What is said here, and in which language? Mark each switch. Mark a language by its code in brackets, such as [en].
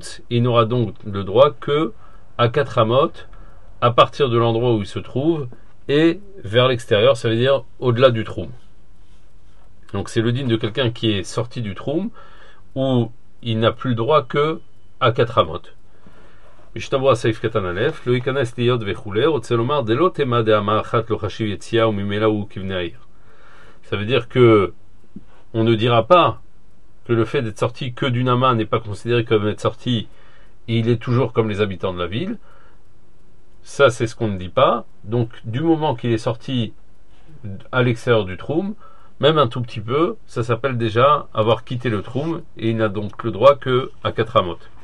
[fr] Il n'aura donc le droit que à 4 amot, à partir de l'endroit où il se trouve, et vers l'extérieur, ça veut dire au-delà du troum. Donc c'est le dîne de quelqu'un qui est sorti du troum, où il n'a plus le droit que à 4 amot. [he] משתבוע סעיף קטן א', לא ייכנס להיות וכו', רוצה לומר, זה לא תמה דאמה אחת לא חשיב יציאה וממילא הוא כבני העיר. [fr] Ça veut dire que on ne dira pas que le fait d'être sorti que d'une ama n'est pas considéré comme être sorti et il est toujours comme les habitants de la ville. Ça, c'est ce qu'on ne dit pas. Donc, du moment qu'il est sorti à l'extérieur du troum, même un tout petit peu, ça s'appelle déjà avoir quitté le troum et il n'a donc le droit que à 4 amot.